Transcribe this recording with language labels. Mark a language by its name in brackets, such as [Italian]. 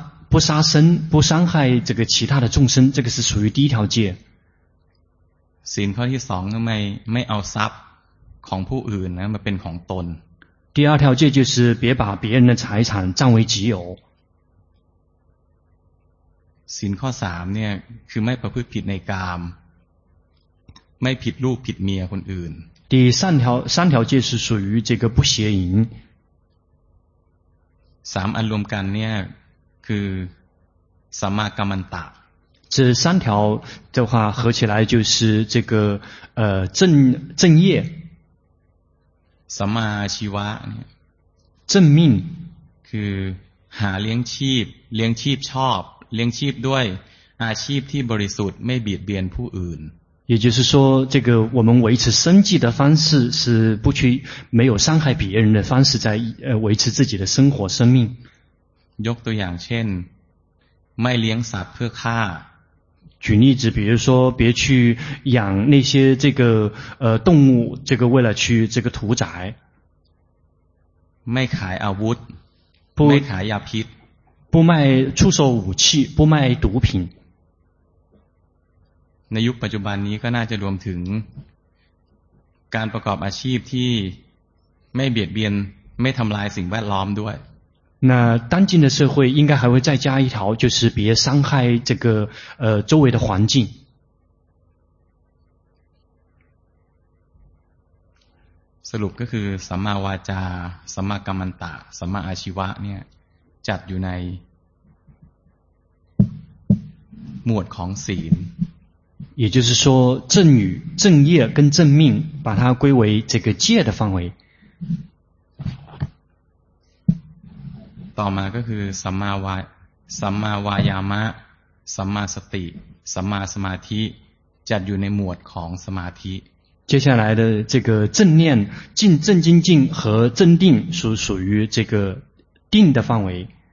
[Chinese] 不杀生不伤害这个其他的众生这个是属于第一条戒 [Thai] ศีลข้อที่สองทำไมไม่เอาทรัพย์ ของผู้อื่นนะมาเป็นของตน [Chinese] 第二条戒就是别把别人的财产占为己有 [Thai] ศีลข้อ3เนี่ยคือไม่ประพฤติผิดในกามไม่ผิดลูกผิดเมียคนอื่น [Chinese] 第三条戒是属于这个不邪淫 [Thai] 3อันรวมกันเนี่ยคือสัมมากัมมันตะ [Chinese] 这三条的话合起来就是这个正业 [Thai] สัมมาชีวะ [Chinese] 正命 [Thai] คือหาเลี้ยงชีพเลี้ยงชีพชอบเลี้ยงชีพด้วยอาชีพที่บริสุทธิ์ไม่เบียดเบียนผู้อื่น [Chinese] 也就是说这个我们维持生计的方式是不去没有伤害别人的方式在维持自己的生活生命 [Thai] ยกตัวอย่างเช่นไม่เลี้ยงสัตว์เพื่อฆ่า [Chinese] 举例子比如说别去养那些这个动物这个为了去这个屠宰 [Thai] ไม่ขายอาวุธไม่ขายยาพิษ [Chinese] 不卖出售武器不卖毒品 [Thai] ในยุคปัจจุบันนี้ก็น่าจะรวมถึงการประกอบอาชีพที่ไม่เบียดเบียนไม่ทำลายสิ่งแวดล้อมด้วย [Chinese] 那当今的社会应该还会再加一条就是别伤害这个周围的环境 [Thai] สรุปก็คือสัมมาวาจาสัมมากัมมันตะสัมมาอาชีวะเนี่ยจัดอยู่ในหมวดของศีล [Chinese] 也就是说正语正业跟正命把它归为这个戒的范围 [Thai] ต่อมาก็คือสัมมาวายามะสัมมาสติสัมมาสมาธิจัดอยู่ในหมวดของสมาธิ [Chinese] 接下来的这个正念静正精进和正定是属于这个定的范围